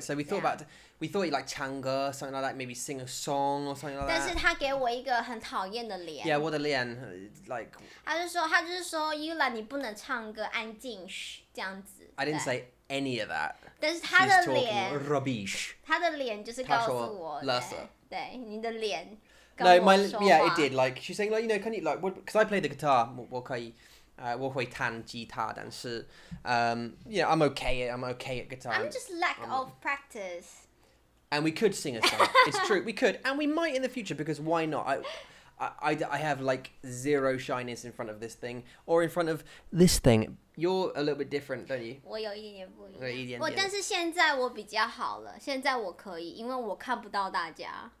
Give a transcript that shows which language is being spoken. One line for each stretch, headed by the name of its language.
English: So we thought about like
Chinese: 唱歌,
English: something like that, maybe sing a song or something like that.
Chinese: 但是他给我一个很讨厌的脸。
English: Yeah,
Chinese: 我的脸,
English: like...
Chinese: 他就说, Yula, 你不能唱歌, 安静,这样子,
English: I didn't say any of that.
Chinese: 但是他的脸,
English: she's talking rubbish.
Chinese: 他的脸就是告诉我,对,你的脸告诉我说话。
English: Yeah, it did, like, she's saying, like, you know, can you, like, because I play the guitar,
Chinese: 我可以... 我会弹吉他，但是
English: yeah, I'm okay at guitar. I'm just lack of practice. And we could sing a song. It's true, we could, and we might in the future because why not? I have like zero shyness in front of this thing or in front of this thing. You're a little bit different, don't you?
Chinese: 我有一点点不一样。但是现在我比较好了，现在我可以，因为我看不到大家。